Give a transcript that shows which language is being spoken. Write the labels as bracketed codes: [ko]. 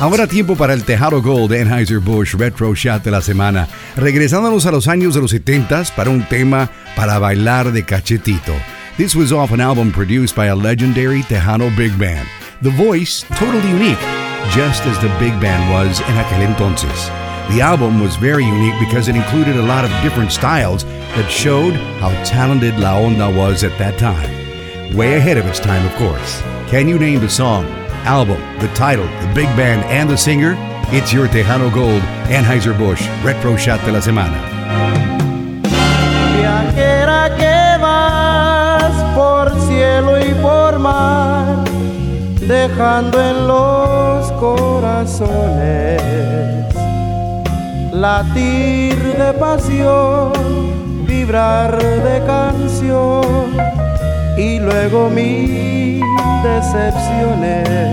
[es] Ahora tiempo para el Tejano Gold Anheuser-Busch Retro Shot de la semana. Regresándonos a los años de los 70s para un tema para bailar de cachetito. [en] This was off an album produced by a legendary Tejano Big Band. The voice, totally unique, just as the Big Band was [es] en aquel entonces. [en] The album was very unique because it included a lot of different styles that showed how talented La Onda was at that time. Way ahead of its time, of course. Can you name the song, album, the title, the Big Band, and the singer? It's your Tejano Gold, Anheuser-Busch, Retro Shot de la Semana. [es] Viajera que vas por cielo y por mar, dejando en los corazones latir de pasión, vibrar de canción, y luego mil decepciones.